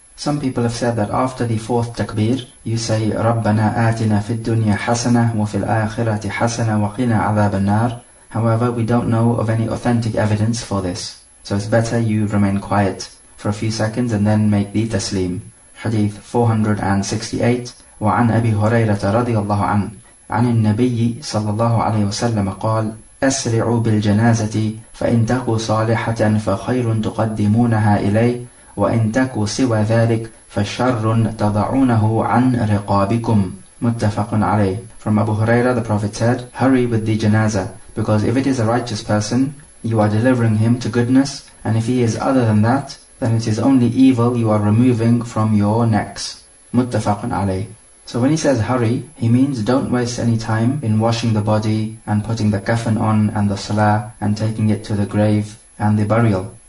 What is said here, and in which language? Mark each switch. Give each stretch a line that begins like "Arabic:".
English: Some people have said that after the fourth takbir, you say,
Arabic: رَبَّنَا آتِنَا فِي الدُّنْيَا حَسَنَةً وَفِي الْآخِرَةِ حَسَنَةً وَقِنَا عَذَابَ النَّارِ.
English: However, we don't know of any authentic evidence for this. So it's better you remain quiet for a few seconds and then make the taslim. Hadith 468.
Arabic: وعن أبي هريرة رضي الله عنه عن النبي صلى الله عليه وسلم قال أسرعوا بالجنازة فإن تكوا صالحة فخير تقدمونها إلي وإن تكوا سوى ذلك فشر تضعونه عن رقابكم. متفق عليه.
English: From Abu Huraira, the Prophet said, hurry with the janazah, because if it is a righteous person, you are delivering him to goodness, and if he is other than that, then it is only evil you are removing from your necks.
Arabic: متفق عليه.
English: So when he says hurry, he means don't waste any time in washing the body and putting the kafan on and the salah and taking it to the grave and the burial.